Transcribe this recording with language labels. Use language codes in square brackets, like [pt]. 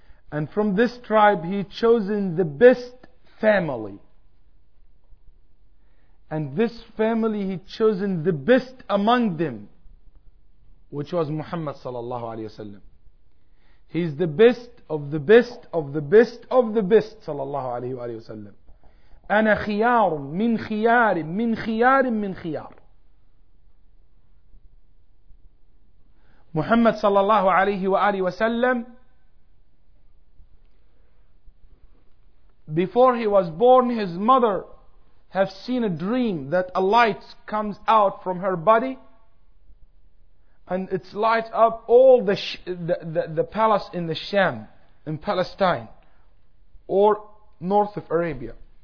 [en] And from this tribe, he chosen the best family. And this family, he chosen the best among them, which was Muhammad sallallahu alayhi wa sallam. He is the best of the best of the best of the best, sallallahu alayhi wa sallam. [ar] أنا خيار من خيار من خيار من خيار. [en] محمد صلى الله عليه وآله وسلم, before he was born, his mother have seen a dream that a light comes out from her body, and it lights up all the palace in the Sham, in Palestine, or north of Arabia.